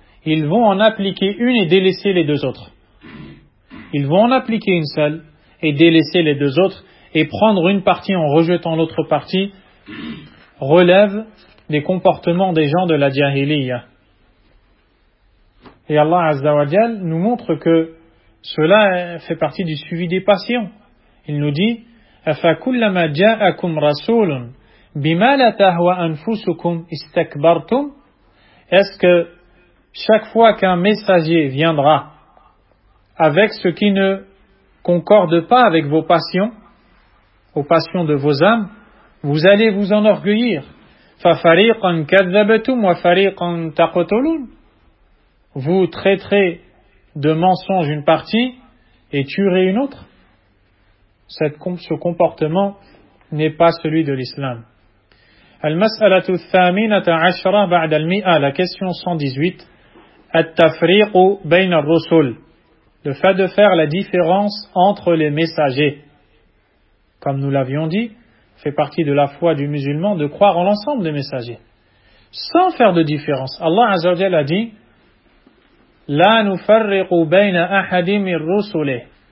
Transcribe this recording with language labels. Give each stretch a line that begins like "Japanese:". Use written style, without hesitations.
French: Ils vont en appliquer une et délaisser les deux autres. Ils vont en appliquer une seule et délaisser les deux autres et prendre une partie en rejetant l'autre partie relève des comportements des gens de la jahiliya. Et Allah Azza wa Jal nous montre que cela fait partie du suivi des patients. Il nous dit
Arabic: أَفَكُلَّمَا جَاءَكُمْ رَسُولٌ بِمَا لَا تَهْوَى أَنفُسُكُمْ إِسْتَكْبَرْتُمْ.
French: Est-ce que chaque fois qu'un messager viendra avec ce qui ne concorde pas avec vos passions, aux passions de vos âmes, vous allez vous enorgueillir.
Arabic: فَفَرِيقًا كَذَّبَتُمْ وَفَرِيقًا تَقْتُلُونَ.
French: Vous traiterez de mensonge une partie et tuerez une autre. Ce comportement n'est pas celui de l'islam.
Arabic: المسألة الثامنة عشرة بعد المئة.
French: La question 118.
Arabic: التفريق بين الرسل.
French: Le fait de faire la différence entre les messagers. Comme nous l'avions dit, fait partie de la foi du musulman de croire en l'ensemble des messagers. sans faire de différence. Allah Azza wa Jalla a dit,
Arabic: La nufarriqu bayna ahadin min rusulihi.